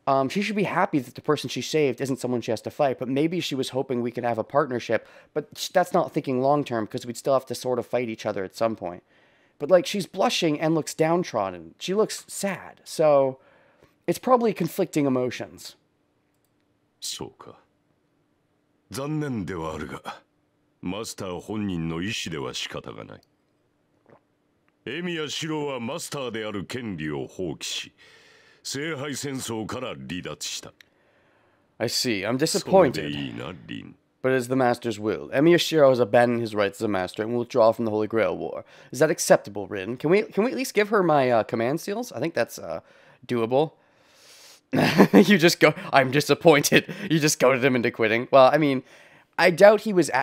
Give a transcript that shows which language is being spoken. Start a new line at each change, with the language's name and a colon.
English: She should be happy that the person she saved isn't someone she has to fight, but maybe she was hoping we could have a partnership, but that's not thinking long term, because we'd still have to sort of fight each other at some point. But, like, she's blushing and looks downtrodden. She looks sad. So, It's probably conflicting emotions.
Japanese: そうか。残念ではあるが、 マスター本人の意思では仕方がない。エミやシロはマスターである権利を放棄し、 聖杯戦争から離脱した。
English: I see. I'm disappointed. But it is the Master's will. Emi Yashiro has abandoned his rights as a Master and will withdraw from the Holy Grail War. Is that acceptable, Rin? Can we at least give her my command seals? I think that's doable. I'm disappointed. You just goaded him into quitting. Well, I mean, I doubt he was...